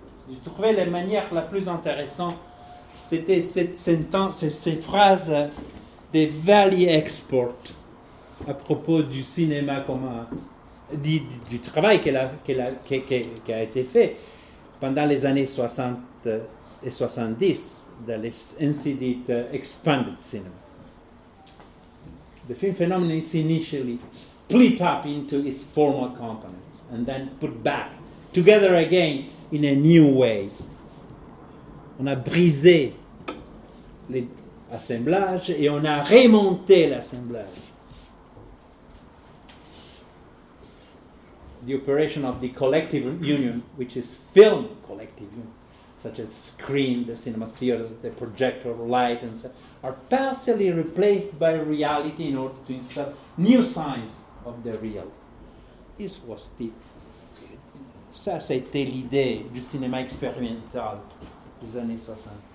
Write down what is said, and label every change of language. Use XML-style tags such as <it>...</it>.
<fr>J'ai trouvé la manière la plus intéressante, c'était ces phrases des Valley Export. À propos du cinéma, du travail qui a été fait pendant les années 60 et 70 dans les ainsi dites expanded cinema.</fr> <en>The film phenomenon is initially split up into its former components and then put back together again in a new way.</en> <fr>On a brisé l'assemblage et on a remonté l'assemblage.</fr> <en>The operation of the collective union, which is film collective union, such as screen, the cinema theater, the projector, light, and so on, are partially replaced by reality in order to install new signs of the real. This was the.</en> <fr>Ça, c'était l'idée du cinéma expérimental des années 60.</fr>